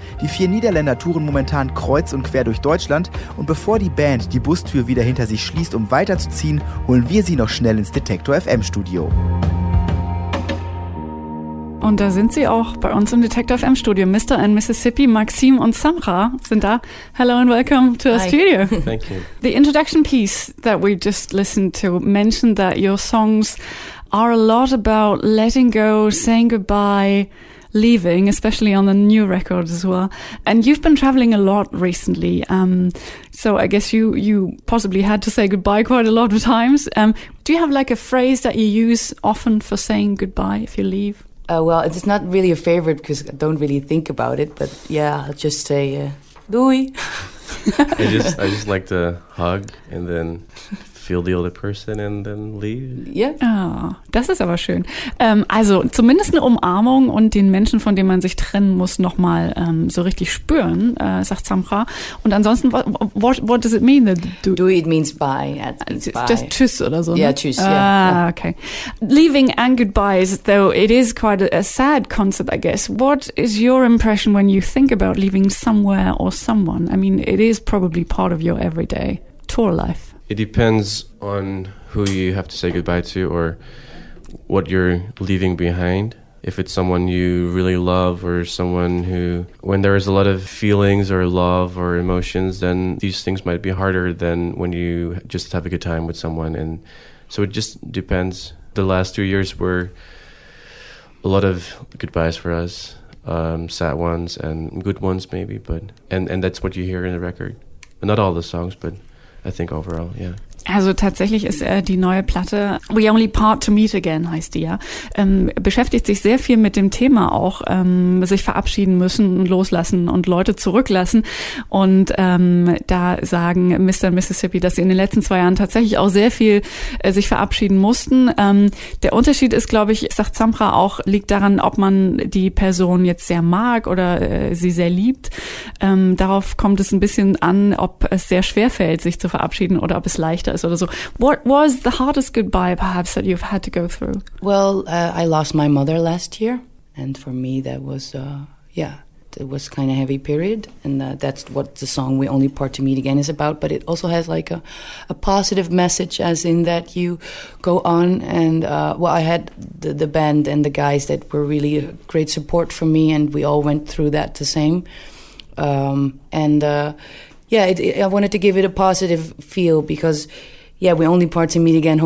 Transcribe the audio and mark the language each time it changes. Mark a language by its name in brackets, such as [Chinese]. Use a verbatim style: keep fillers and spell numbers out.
[German] Die vier Niederländer touren momentan kreuz und quer durch Deutschland, und bevor die Band die Bustür wieder hinter sich schließt, um weiterzuziehen, holen wir sie noch schnell ins Detektor F M Studio. Und da sind sie auch bei uns im Detektor F M Studio. Mister and Mississippi, Maxim und Samra sind da. [English] Hello and welcome to our Hi. studio. Thank you. The introduction piece that we just listened to mentioned that your songs are a lot about letting go, saying goodbye, leaving, especially on the new record as well. And you've been traveling a lot recently, um, so I guess you, you possibly had to say goodbye quite a lot of times. Um, do you have like a phrase that you use often for saying goodbye if you leave? Uh, well, it's not really a favorite because I don't really think about it, but yeah, I'll just say uh, doei. I just I just like to hug and then feel the other person and then leave. Yeah. [German] Ah, das ist aber schön. Ähm, also zumindest eine Umarmung und den Menschen, von dem man sich trennen muss, nochmal ähm, so richtig spüren, äh, sagt Samra. Und ansonsten, [English] what, what, what does it mean? That do, do it means bye. It means bye. Just [German] tschüss oder so. [English] Yeah, [German] ne? tschüss. Ah, [English] yeah. Okay. Leaving and goodbyes, though it is quite a, a sad concept, I guess. What is your impression when you think about leaving somewhere or someone? I mean, it is probably part of your everyday tour life. It depends on who you have to say goodbye to or what you're leaving behind. If it's someone you really love or someone who, when there is a lot of feelings or love or emotions, then these things might be harder than when you just have a good time with someone. And so it just depends. The last two years were a lot of goodbyes for us, um, sad ones and good ones maybe, but and, and that's what you hear in the record. Not all the songs, but I think overall, yeah. [German] Also tatsächlich ist äh, die neue Platte We Only Part to Meet Again, heißt die ja, ähm, beschäftigt sich sehr viel mit dem Thema auch, ähm, sich verabschieden müssen, loslassen und Leute zurücklassen. Und ähm, da sagen Mister und Mississippi, dass sie in den letzten zwei Jahren tatsächlich auch sehr viel äh, sich verabschieden mussten. Ähm, der Unterschied ist, glaube ich, sagt Samra auch, liegt daran, ob man die Person jetzt sehr mag oder äh, sie sehr liebt. Ähm, darauf kommt es ein bisschen an, ob es sehr schwer fällt, sich zu verabschieden oder ob es leichter ist oder so. [English] What was the hardest goodbye perhaps that you've had to go through? Well, uh, I lost my mother last year, and for me that was, uh, yeah, it was kind of heavy period, and uh, that's what the song We Only Part to Meet Again is about, but it also has like a, a positive message, as in that you go on, and uh, well, I had the, the band and the guys that were really a great support for me, and we all went through that the same, um, and uh Yeah, it, it, I wanted to give it a positive feel because, yeah, we only part to meet again.